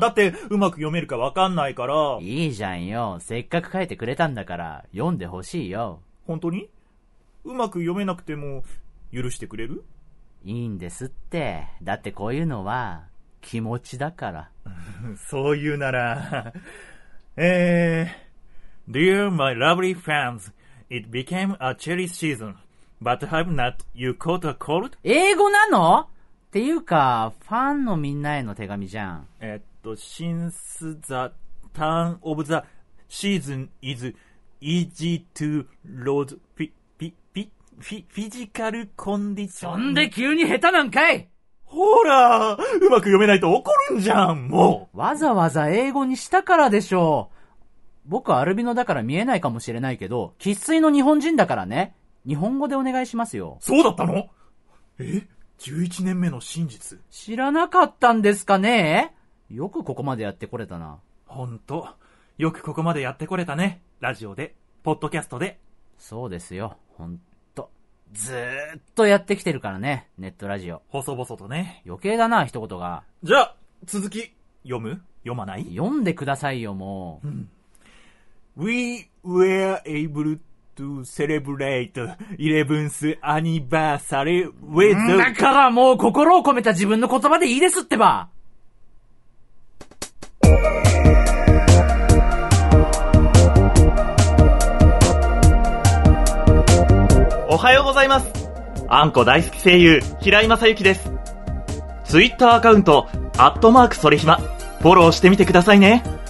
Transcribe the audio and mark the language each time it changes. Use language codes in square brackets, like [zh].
[ja] だってうまく読めるかわかんないから。いいじゃんよ。せっかく書いてくれたんだから読んでほしいよ。本当に？うまく読めなくても許してくれる？いいんですって。だってこういうのは気持ちだから。そう言うなら。 [en] Dear my lovely fans,It became a cherry season, but have not you caught a cold? [ja] 英語なの？っていうか、ファンのみんなへの手紙じゃん。 [en] since the turn of the season is easy to load physical condition. [ja] そんで急に下手なんかい？ほら、うまく読めないと怒るんじゃん、もう。わざわざ英語にしたからでしょう。僕はアルビノだから見えないかもしれないけど、喫水の日本人だからね。日本語でお願いしますよ。そうだったの？え？11 年目の真実。知らなかったんですかね？よくここまでやってこれたな。ほんと。よくここまでやってこれたね。ラジオで、ポッドキャストで。そうですよ。ほんと。ずーっとやってきてるからね。ネットラジオ。細々とね。余計だな、一言が。じゃあ、続き、読む？読まない？読んでくださいよ、もう。うん。 [en] We were able to celebrate 11th anniversary with... [ja] だからもう心を込めた自分の言葉でいいですってば。おはようございます。あんこ大好き声優平井正幸です。ツイッターアカウント@それひまフォローしてみてくださいね。